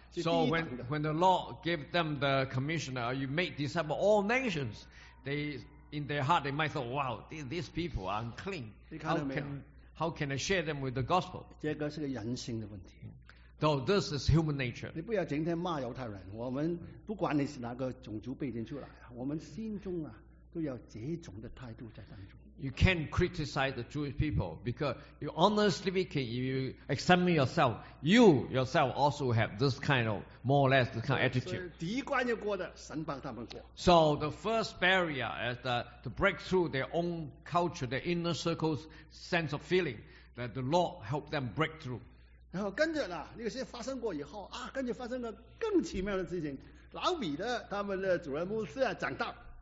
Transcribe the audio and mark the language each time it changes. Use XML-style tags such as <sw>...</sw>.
<en>So when the Lord gave them the commission, you make disciple all nations, they in their heart they might thought, wow, these people are unclean. How can I share them with the gospel?</en> <zh>这个是个人性的问题。</zh> <en>So this is human nature.</en> <zh>你不要整天骂犹太人，我们不管你是哪个种族背景出来，我们心中都有这种的态度在当中。</zh> <en>You can't criticize the Jewish people because you honestly speaking, if you examine yourself, you yourself also have this kind of, more or less, this kind of attitude.</en> <zh>第一关要过的，神帮他们过。</zh> <en>So the first barrier is to break through their own culture, their inner circle's sense of feeling that the Lord helped them break through.</en> <zh>然后跟着呢，那个事情发生过以后，跟着发生了更奇妙的事情，老比的他们的主人牧师长大。</zh>